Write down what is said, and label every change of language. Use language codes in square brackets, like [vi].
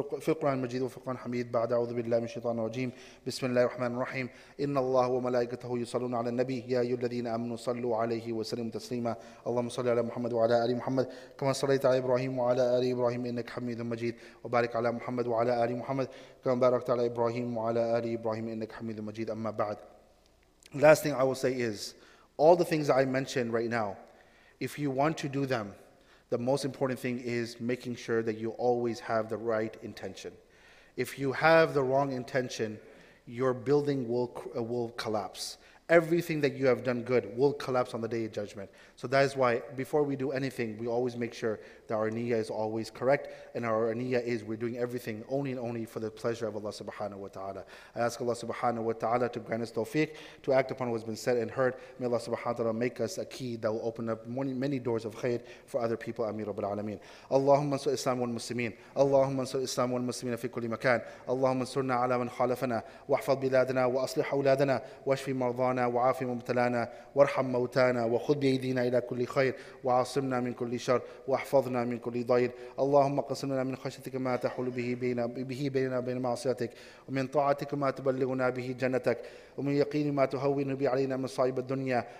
[ar] القران المجيد وفي القران الحميد بعد اعوذ بالله من الشيطان الرجيم بسم الله الرحمن الرحيم ان الله وملائكته يصلون على النبي يا ايها الذين امنوا صلوا عليه وسلموا تسليما اللهم صل على محمد وعلى ال محمد كما صليت على ابراهيم وعلى ال ابراهيم إنك حميد مجيد وبارك على محمد وعلى آل محمد كما باركت على إبراهيم وعلى آل إبراهيم إنك حميد مجيد أما بعد. [en] Last thing I will say is, all the things I mentioned right now, if you want to do them, the most important thing is making sure that you always have the right intention. If you have the wrong intention, your building will collapse. Everything that you have done good will collapse on the day of judgment. So that is why before we do anything, we always make sure that our niyyah is always correct, and our niyyah is we're doing everything only and only for the pleasure of Allah subhanahu wa ta'ala. I ask Allah subhanahu wa ta'ala to grant us tawfiq to act upon what has been said and heard. May Allah subhanahu wa ta'ala make us a key that will open up many doors of khayr for other people. [ar] Ameen Rabbil Alameen. Allahumma ansur Islam wal muslimin. Allahumma ansur Islam wal muslimin fi kulli makan. Allahumma ansurna ala man khalafana wa ahfad biladana wa aslih awladana wa ashfi maradana وعافي مبتلانا وارحم موتانا وخذ بأيدينا إلى كل خير وعاصمنا من كل شر واحفظنا من كل ضير. اللهم قسمنا من خشيتك ما تحول به بيننا بين معصيتك ومن طاعتك ما تبلغنا به جنتك ومن يقين ما تهون به علينا من صعيب الدنيا.